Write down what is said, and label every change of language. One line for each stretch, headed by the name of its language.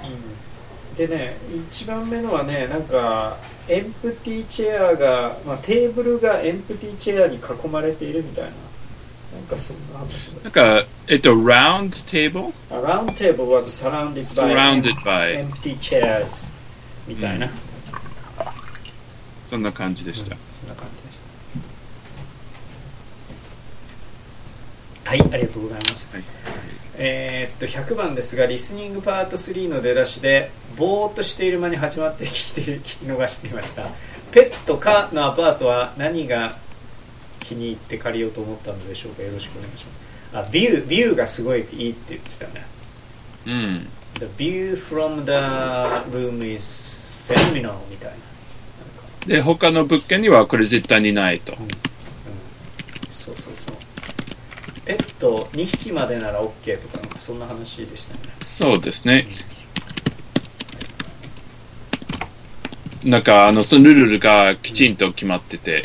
Japanese: うんうん、でね、1番目のはね、なんか、エンプティーチェアが、まあ、テーブルがエンプティーチェアに囲まれているみたいな、なんかそんな話。なんか、
English: round table? A round table was surrounded by empty chairs
Japanese: みたいな、うん、そんな感じでした、うん、そんな感じでした。はい、ありがとうございます。はい、 100番ですが、リスニングパート3の出だしでぼーっとしている間に始まって聞き逃していました。ペットかのアパートは何が気に入って借りようと思ったのでしょうか。よろしくお願いします。あ、ビューがすごいいいって言ってたね。うん。
English: The view from the room is phenomenal
Japanese: みたいな。で、他の物件にはこれ絶対にないと。うん。うん、そうそうそう。ペット2匹までなら OK とか、そんな話でしたね。そうですね。うん、なんか、そのルールがきちんと決まってて。